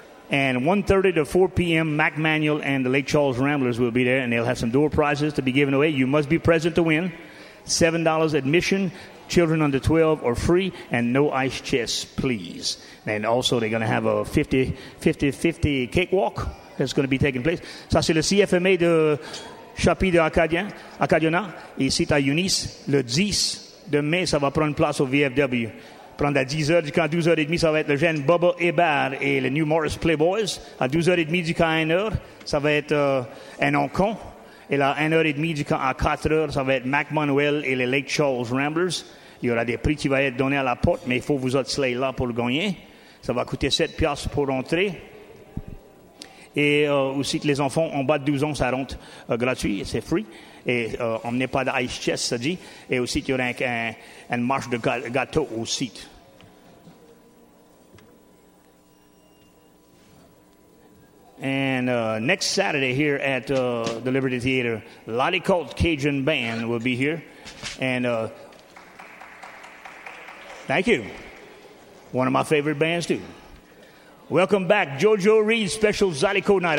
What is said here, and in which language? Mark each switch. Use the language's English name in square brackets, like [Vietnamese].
[English] And 1:30 to 4 p.m., Mac Manuel and the Lake Charles Ramblers will be there, and they'll have some door prizes to be given away. You must be present to win. $7 admission. Children under 12 are free, and no ice chests, please. And also, they're going to have a 50-50 cakewalk. That's going to be taking place. [French] Ça, c'est le CFMA de Chapi de Acadiana. Ici, à Eunice, le 10 de mai, ça va prendre place au VFW. Prendre à 10h jusqu'à 12h30, ça va être le jeune Bubba Hebert et le New Morris Playboys. À 12h30 jusqu'à 1h, ça va être un encon. Et à 1h30 jusqu'à 4h, ça va être Mac Manuel et les Lake Charles Ramblers. Il y aura des prix qui vont être donnés à la porte, mais il faut vous être là pour le gagner. Ça va coûter 7$ pour rentrer. Et aussi que les enfants en bas de 12 ans, ça rentre gratuit, c'est free. Et on n'est pas d'ice chest, ça dit. Et aussi qu'il y aura un marche de gâteau au site. [English] And next Saturday here at the Liberty Theater, Lolly Cult Cajun Band will be here. And thank you. One of my favorite bands, too. Welcome back, Jojo Reed, special Zydeco night.